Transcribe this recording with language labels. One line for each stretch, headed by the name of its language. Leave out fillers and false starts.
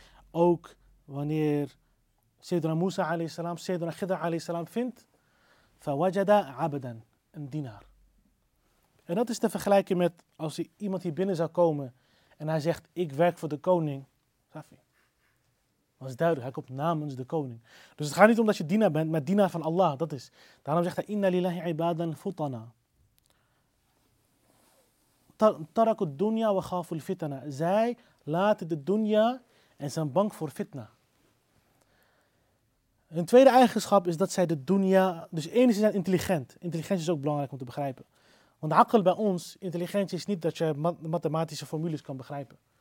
Dutch: Ook wanneer Sayyidina Musa alayhi salam, Sayyidina Khidr alayhi salam vindt,
Arabic: فَوَجَدَ عَبَدًا,
Dutch: een dienaar. En dat is te vergelijken met als iemand hier binnen zou komen en hij zegt, ik werk voor de koning. Safi. Dat is duidelijk, hij komt namens de koning. Dus het gaat niet om dat je dienaar bent, maar dienaar van Allah, dat is. Daarom zegt hij,
Arabic: إِنَّ لِلَّهِ عِبَادًا فُطَنَا. تَرَكُ الدُّنْيَا وَخَافُ الْفِتَنَا.
Dutch: Zij laten de dunya en zijn bang voor fitna. Een tweede eigenschap is dat zij de dunya, dus enigszins zijn intelligent. Intelligentie is ook belangrijk om te begrijpen. Want akkel bij ons, intelligentie is niet dat je mathematische formules kan begrijpen.